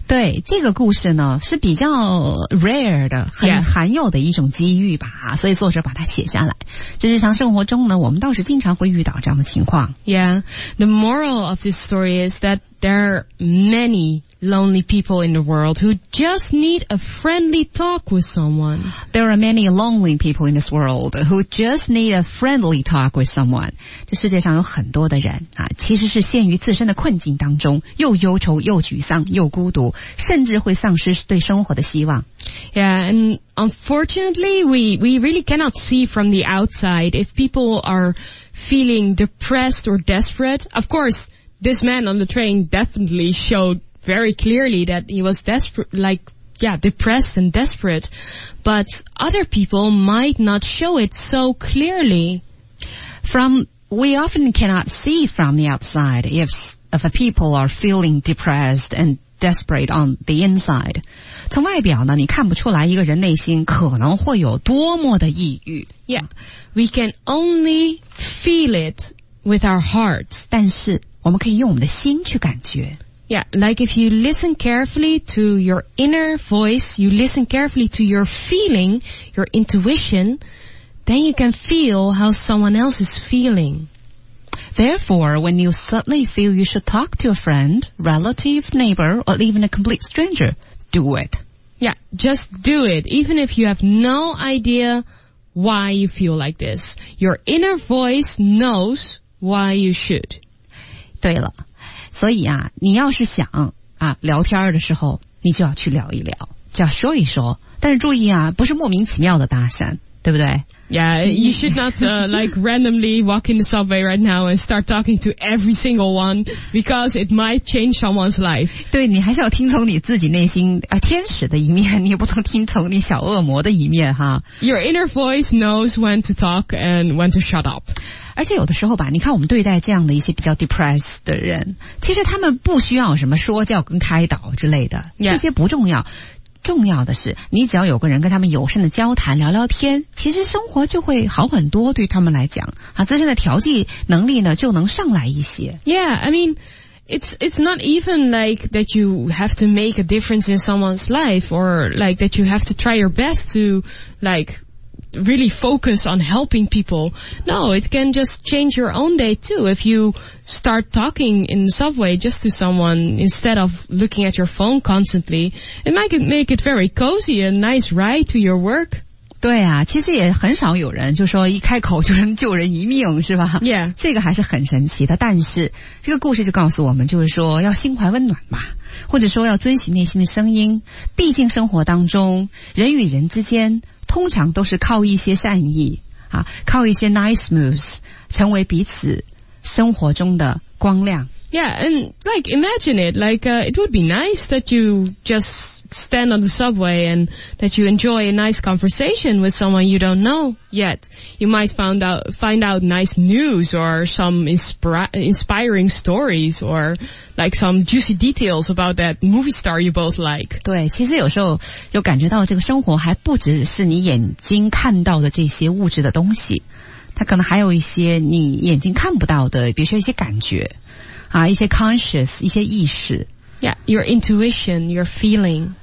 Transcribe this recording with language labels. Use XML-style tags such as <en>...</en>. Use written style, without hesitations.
<zh>对，这个故事呢是比较 rare 的，很罕有的一种机遇吧，所以作者把它写下来。在日常生活中呢，我们倒是经常会遇到这样的情况。</zh> <en>Yeah, the moral of this story is that there are many lonely people in the world who just need a friendly talk with someone. There are many lonely people in this world who just need a friendly talk with someone.</en> <zh>这世界上有很多的人啊，其实是陷于自身的困境当中，又忧愁又沮丧又孤独，甚至会丧失对生活的希望。</zh> <en>Yeah, and unfortunately, we really cannot see from the outside if people are feeling depressed or desperate. Of course, this man on the train definitely showed very clearly that he was desperate, like, yeah, depressed and desperate. But other people might not show it so clearly. We often cannot see from the outside if a people are feeling depressed and desperate on the inside.</en> <zh>从外表呢，你看不出来一个人内心可能会有多么的抑郁。</zh> <en>Yeah, we can only feel it with our hearts.</en> <zh>但是我们可以用我们的心去感觉。</zh> <en>Yeah, like if you listen carefully to your inner voice, you listen carefully to your feeling, your intuition, then you can feel how someone else is feeling. Therefore, when you suddenly feel you should talk to a friend, relative, neighbor, or even a complete stranger, do it. Yeah, just do it, even if you have no idea why you feel like this. Your inner voice knows why you should.</en> <zh>对了。所以啊，你要是想啊聊天的时候，你就要去聊一聊，就要说一说。但是注意啊，不是莫名其妙的搭讪，对不对？</zh> <en>Yeah, you should not like randomly walk in the subway right now and start talking to every single one because it might change someone's life.</en> <zh>对，你还是要听从你自己内心啊天使的一面，你也不能听从你小恶魔的一面哈。</zh> <en>Your inner voice knows when to talk and when to shut up.</en> <zh>而且有的时候吧，你看我们对待这样的一些比较 depressed 的人，其实他们不需要什么说教跟开导之类的、 yeah. 这些不重要，重要的是你只要有个人跟他们友善的交谈聊聊天，其实生活就会好很多，对他们来讲啊，自身的调剂能力呢就能上来一些。</zh> <en>Yeah, I mean it's not even like that you have to make a difference in someone's life or like that you have to try your best to likereally focus on helping people. No, it can just change your own day too. If you start talking in the subway just to someone instead of looking at your phone constantly, it might make it very cozy and nice ride to your work.</en> <zh>对啊，其实也很少有人就说一开口就能救人一命，是吧？ Yeah. 这个还是很神奇的，但是这个故事就告诉我们，就是说要心怀温暖吧，或者说要遵循内心的声音。毕竟生活当中，人与人之间通常都是靠一些善意啊，靠一些</zh> <en>nice moves</en> <zh>成为彼此生活中的光亮。</zh> <en>Yeah, and like imagine it, like it would be nice that you just stand on the subway and that you enjoy a nice conversation with someone you don't know yet. You might find out nice news or some inspiring stories or like some juicy details about that movie star you both like.</en> <zh>对，其实有时候就感觉到这个生活还不只是你眼睛看到的这些物质的东西，它可能还有一些你眼睛看不到的，比如说一些感觉啊，一些 conscious, 一些意识。</zh> <en>Yeah, your intuition, your feeling.</en>